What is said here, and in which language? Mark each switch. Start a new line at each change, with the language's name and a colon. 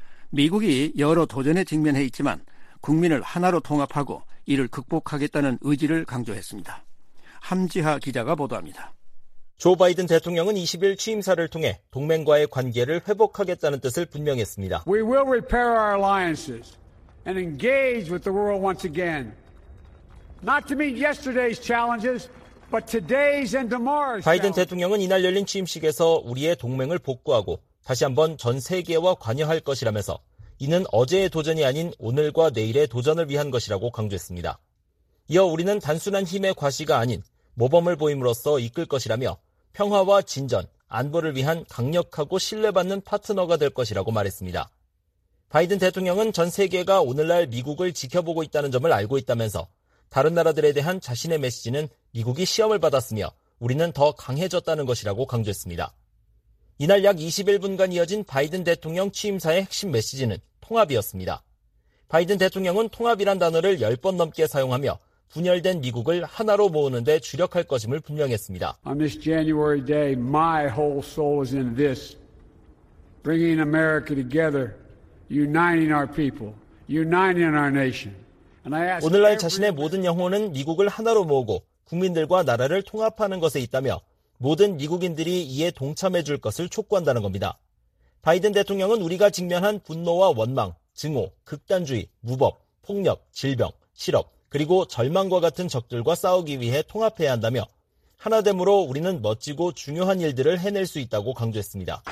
Korean: 미국이 여러 도전에 직면해 있지만 국민을 하나로 통합하고 이를 극복하겠다는 의지를 강조했습니다. 함지하 기자가 보도합니다. 조 바이든 대통령은 20일 취임사를 통해 동맹과의 관계를 회복하겠다는 뜻을 분명했습니다.
English: We will repair our alliances and engage with the world once again. Not to meet yesterday's challenges, but today's and tomorrow's.
Korean: 바이든 대통령은 이날 열린 취임식에서 우리의 동맹을 복구하고 다시 한번 전 세계와 관여할 것이라면서 이는 어제의 도전이 아닌 오늘과 내일의 도전을 위한 것이라고 강조했습니다. 이어 우리는 단순한 힘의 과시가 아닌 모범을 보임으로써 이끌 것이라며 평화와 진전, 안보를 위한 강력하고 신뢰받는 파트너가 될 것이라고 말했습니다. 바이든 대통령은 전 세계가 오늘날 미국을 지켜보고 있다는 점을 알고 있다면서 다른 나라들에 대한 자신의 메시지는 미국이 시험을 받았으며 우리는 더 강해졌다는 것이라고 강조했습니다. 이날 약 21분간 이어진 바이든 대통령 취임사의 핵심 메시지는 통합이었습니다. 바이든 대통령은 통합이란 단어를 10번 넘게 사용하며 분열된 미국을 하나로 모으는 데 주력할 것임을 분명했습니다.
English: On this January day, my whole soul is in this. Bringing America together, uniting our people, uniting our nation.
Korean: 오늘날 자신의 모든 영혼은 미국을 하나로 모으고 국민들과 나라를 통합하는 것에 있다며 모든 미국인들이 이에 동참해 줄 것을 촉구한다는 겁니다. 바이든 대통령은 우리가 직면한 분노와 원망, 증오, 극단주의, 무법, 폭력, 질병, 실업, 그리고 절망과 같은 적들과 싸우기 위해 통합해야 한다며 하나됨으로 우리는 멋지고 중요한 일들을 해낼 수 있다고 강조했습니다.